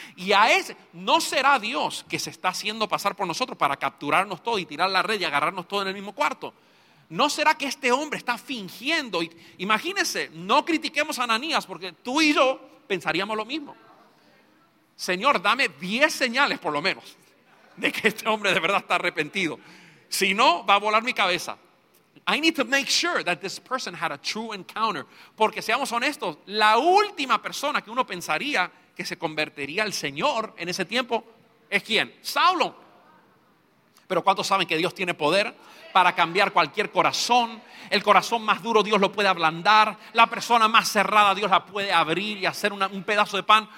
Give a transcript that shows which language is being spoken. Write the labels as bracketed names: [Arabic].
[Spanish] Y a ese, ¿no será Dios que se está haciendo pasar por nosotros para capturarnos todo y tirar la red y agarrarnos todo en el mismo cuarto? ¿No será que este hombre está fingiendo? Imagínense, no critiquemos a Ananías porque tú y yo pensaríamos lo mismo. Señor, dame 10 señales por lo menos de que este hombre de verdad está arrepentido. Si no, va a volar mi cabeza. [English] I need to make sure that this person had a true encounter. [Spanish] Porque seamos honestos, la última persona que uno pensaría que se convertiría al Señor en ese tiempo es ¿quién? Saulo. Pero ¿cuántos saben que Dios tiene poder para cambiar cualquier corazón? El corazón más duro Dios lo puede ablandar. La persona más cerrada Dios la puede abrir y hacer un pedazo de pan.